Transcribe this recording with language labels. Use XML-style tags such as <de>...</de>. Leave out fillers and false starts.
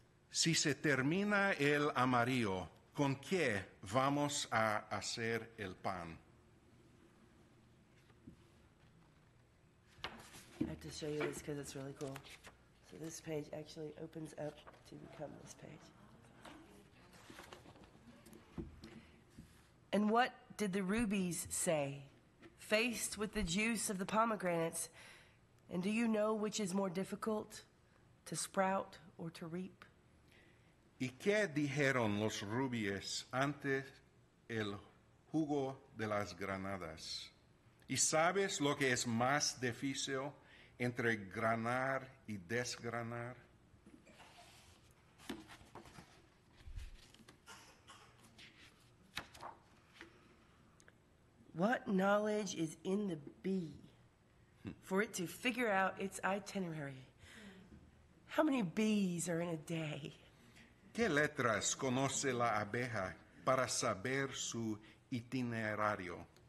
<es>Si se termina el amarillo, ¿con qué vamos a hacer el pan?</es> <en>I have to show you this because it's really cool. So this page actually opens up to become this page. And what did the rubies say, faced with the juice of the pomegranates? And do you know which is more difficult, to sprout or to reap?</en> <es>¿Y qué dijeron los rubies ante el jugo de las granadas? ¿Y sabes lo que es más difícil entre granar y desgranar?</es> <en>What knowledge is in the bee for it to figure out its itinerary? How many bees are in a day?</en> <es>¿Qué letras conoce la abeja para saber su itinerario?</es>